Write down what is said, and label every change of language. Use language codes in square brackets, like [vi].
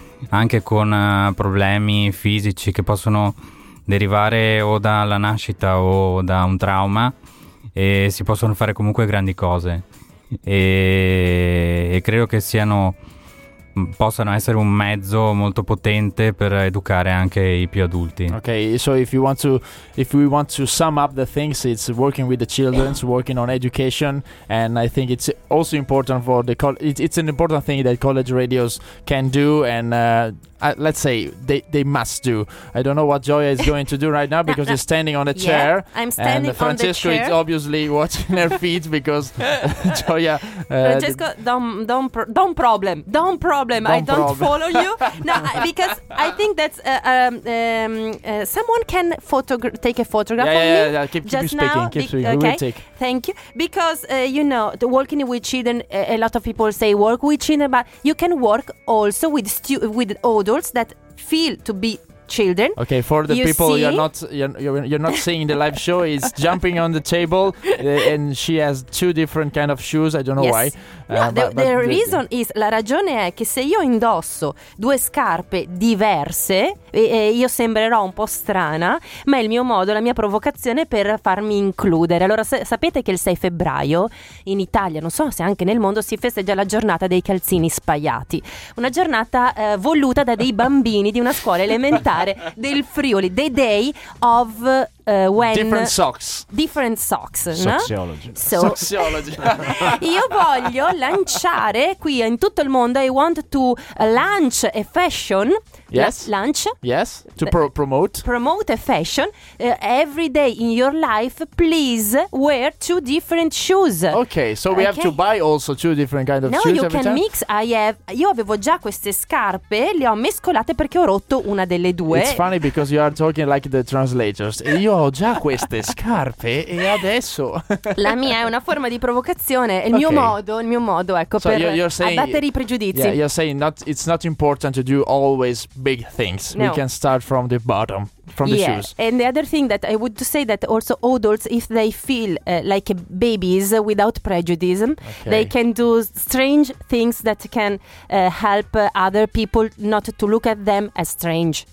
[it] anche con problemi fisici che possono derivare o dalla nascita o da un trauma, e si possono fare comunque grandi cose, e credo che siano possano essere un mezzo molto potente per educare anche i più adulti. [en] Okay, so if we want to sum up the things, it's working with the children, working on education, and I think it's also important for the it's an important thing that college radios can do, and let's say they must do. I don't know what Gioia is going to do right now because she's standing on a chair. Yeah, I'm standing on the chair. And Francesco is obviously watching her feet because Gioia. Francesco, don't follow you. No, because I think that someone can take a photograph of me. Yeah. Keep speaking. Okay. Thank you. Because you know, the working with children, a lot of people say work with children, but you can work also with adults that feel to be children. Okay, for the people you're not seeing the live show, is jumping on the table, and she has two different kind of shoes. I don't know why. [it] La ragione è che se io indosso due scarpe diverse, io sembrerò un po' strana, ma è il mio modo, la mia provocazione per farmi includere. Allora, sapete che il 6 febbraio in Italia, non so se anche nel mondo, si festeggia la giornata dei calzini spaiati, una giornata voluta da dei bambini di una scuola elementare del Friuli, [en] the day of... Different socks. Sociology. No? Sociology. [it] Io voglio lanciare qui in tutto il mondo. [en] I want to launch a fashion. Yes. Launch. Yes. To promote. Promote a fashion. Every day in your life, please wear two different shoes. Okay. So we have to buy also two different kinds of shoes. No, you can mix. [it] Io avevo già queste scarpe. Le ho mescolate perché ho rotto una delle due. [en] It's funny because you are talking like the translators. [it] Io ho già queste scarpe e adesso... La mia è una forma di provocazione, il mio modo, ecco, per abbattere i pregiudizi. [en] Yeah, you're saying it's not important to do always big things. No. We can start from the bottom, from the shoes. And the other thing that I would say that also adults, if they feel like babies without prejudice, they can do strange things that can help other people not to look at them as strange.